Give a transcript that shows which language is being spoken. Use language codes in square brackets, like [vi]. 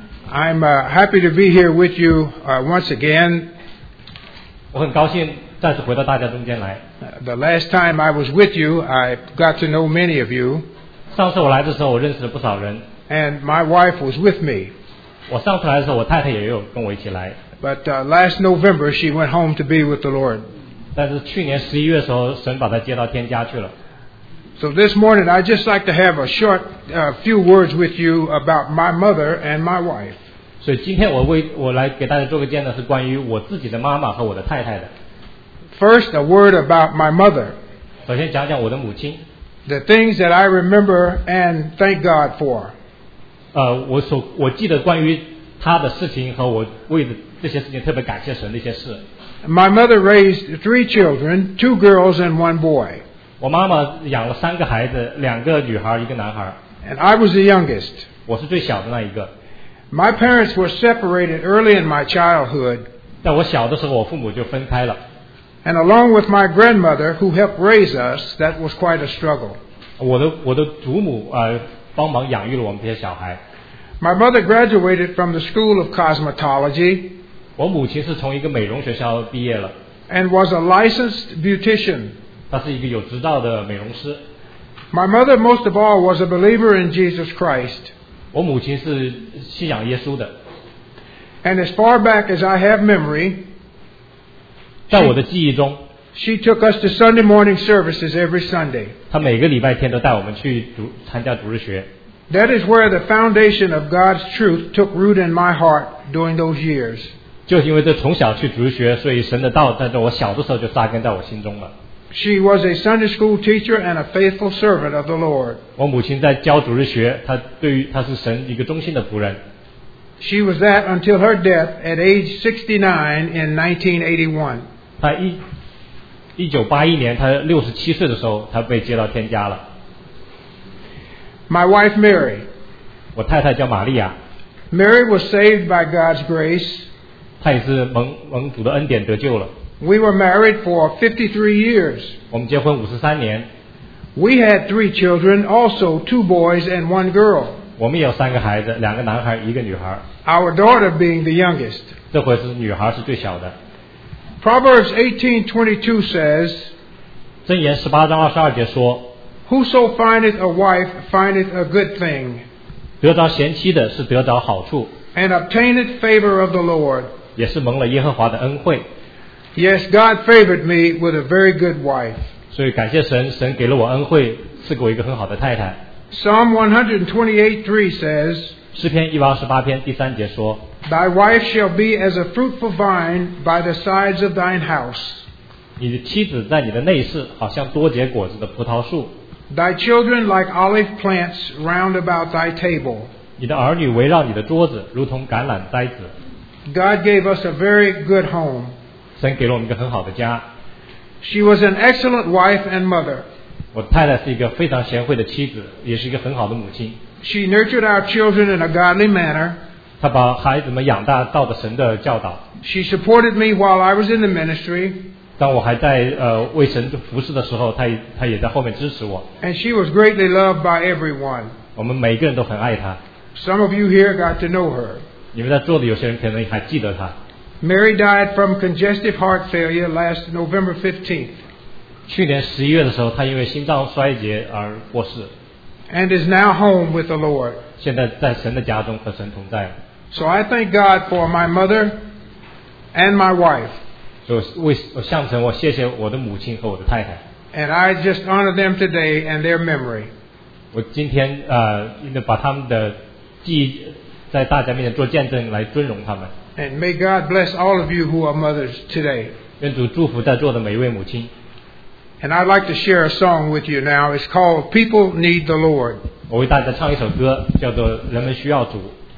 [en] I'm happy to be here with you once again. [zh] 我很高兴再次回到大家中间来。 [en] The last time I was with you, I got to know many of you. [zh] 上次我来的时候，我认识了不少人。 [en] And my wife was with me. [zh] 我上次来的时候，我太太也有跟我一起来。 [en] But last November, she went home to be with the Lord. [zh] 但是去年十一月的时候，神把她接到天家去了。 [en] So this morning, I'd just like to have a short few words with you about my mother and my wife. [zh] 所以今天我来给大家做个见证，是关于我自己的妈妈和我的太太的。 [en] First, a word about my mother. [zh] 首先讲讲我的母亲。 [en] The things that I remember and thank God for. [zh] 我记得关于她的事情和我为这些事情特别感谢神的一些事。 [en] My mother raised three children, two girls and one boy. [zh] 我妈妈养了三个孩子，两个女孩，一个男孩。 [en] And I was the youngest. [zh] 我是最小的那一个。 [en] My parents were separated early in my childhood. [zh] 在我小的时候，我父母就分开了。 [en] And along with my grandmother, who helped raise us, that was quite a struggle. [zh] 我的祖母帮忙养育了我们这些小孩。 [en] My mother graduated from the School of Cosmetology. [zh] 我母亲是从一个美容学校毕业了。 [en] And was a licensed beautician. [zh] 她是一个有执照的美容师。 [en] My mother, most of all, was a believer in Jesus Christ. [zh] 我母亲是信仰耶稣的。 [en] And as far back as I have memory, [zh] 在我的记忆中 [en] she took us to Sunday morning services every Sunday. [zh] 她每个礼拜天都带我们去参加主日学。 [en] That is where the foundation of God's truth took root in my heart during those years. [zh] 就因为这从小去主日学，所以神的道在我小的时候就扎根在我心中了。 [en] She was a Sunday school teacher and a faithful servant of the Lord. [zh] 我母亲在教主日学，她是神一个忠心的仆人。 [en] She was that until her death at age 69 in 1981. [zh] 她1981年，她67岁的时候，她被接到天家了。 [en] My wife Mary. [zh] 我太太叫玛利亚。 [en] Mary was saved by God's grace. [zh] 她也是蒙主的恩典得救了。 [en] We were married for 53 years. [zh] 我们结婚53年。 [en] We had three children, also two boys and one girl. [zh] 我们也有三个孩子，两个男孩，一个女孩。 [en] Our daughter being the youngest. [zh] 这回是女孩是最小的。 [en] Proverbs 18:22 says, [zh] 箴言十八章二十二节说， [en] Whoso findeth a wife findeth a good thing. [zh] 得着贤妻的是得着好处。 [en] And obtaineth favor of the Lord. [zh] 也是蒙了耶和华的恩惠。 [en] Yes, God favored me with a very good wife. [zh] 所以感谢神，神给了我恩惠，赐给我一个很好的太太。 [en] Psalm 128:3 says, [zh] 诗篇128篇第三节说， [en] Thy wife shall be as a fruitful vine by the sides of thine house. [zh] 你的妻子在你的内室，好像多结果子的葡萄树。 [en] Thy children like olive plants round about thy table. [zh] 你的儿女围绕你的桌子，如同橄榄摘子。 [en] God gave us a very good home. [zh] 神给了我们一个很好的家。 [en] She was an excellent wife and mother. [zh] 我太太是一个非常贤惠的妻子，也是一个很好的母亲。 [en] She nurtured our children in a godly manner. [zh] 她把孩子们养大，照着神的教导。 [en] She supported me while I was in the ministry. [zh] 当我还在为神服侍的时候，她也在后面支持我。 [en] And she was greatly loved by everyone. [zh] 我们每个人都很爱她。 [en] Some of you here got to know her. [zh] 你们在座的有些人可能还记得她。 [en] Mary died from congestive heart failure last November 15th. [zh] 去年十一月的时候，她因为心脏衰竭而过世。 [en] And is now home with the Lord. [zh] 现在在神的家中和神同在。 [en] So I thank God for my mother and my wife. [zh] 所以我向神，我谢谢我的母亲和我的太太。 [en] And I just honor them today and their memory. [zh] 我今天把他们的记忆在大家面前做见证，来尊荣他们。 [en] And may God bless all of you who are mothers today. [zh] 愿主祝福在座的每一位母亲。 [en] And I'd like to share a song with you now. It's called People Need the Lord. [zh] 我为大家唱一首歌，叫做《人们需要主》。